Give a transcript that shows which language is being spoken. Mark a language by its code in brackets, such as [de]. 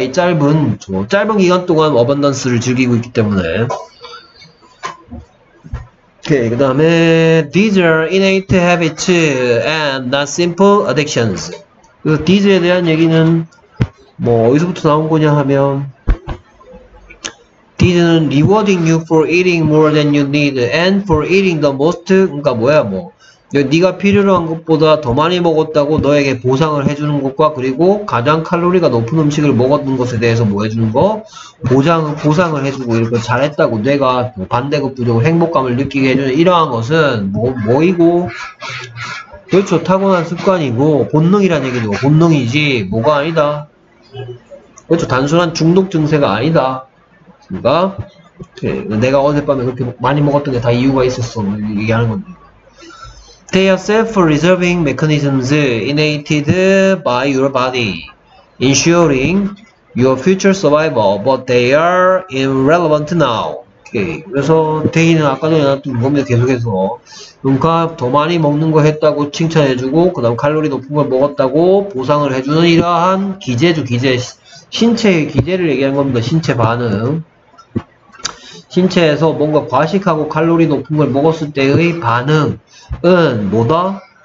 [ko] 이 짧은 저 짧은 기간 동안 어반던스를 즐기고 있기 때문에. 오케이. 그 다음에 [en] These are innate habits and not simple addictions. [ko] 그래서 These에 대한 얘기는 뭐 어디서부터 나온 거냐 하면 [en] He's rewarding you for eating more than you need and for eating the most. [ko] 그러니까 뭐야, 뭐. 네가 필요로한 것보다 더 많이 먹었다고 너에게 보상을 해주는 것과 그리고 가장 칼로리가 높은 음식을 먹었던 것에 대해서 뭐 해주는 거? 보상을 해주고 이렇게 잘했다고 내가 반대급부적으로 행복감을 느끼게 해주는 이러한 것은 뭐이고? 그렇죠. 타고난 습관이고 본능이란 얘기죠. 본능이지 뭐가 아니다. 그렇죠. 단순한 중독 증세가 아니다. 그러니까 내가 어젯밤에 그렇게 많이 먹었던 게다 이유가 있었어. 얘기하는 건데. [en] They are self-reserving mechanisms innated by your body, ensuring your future survival, but they are irrelevant now. Okay. [ko] 그래서 대인은 아까 전에 놔둔 겁니다. 계속해서 그러니까 더 많이 먹는 거 했다고 칭찬해주고 그다음 칼로리 높은 걸 먹었다고 보상을 해주는 이러한 기제죠. 기제 신체의 기제를 얘기하는 겁니다. 신체 반응. 신체에서 뭔가 과식하고 칼로리 높은 걸 먹었을 때의 반응은 뭐다?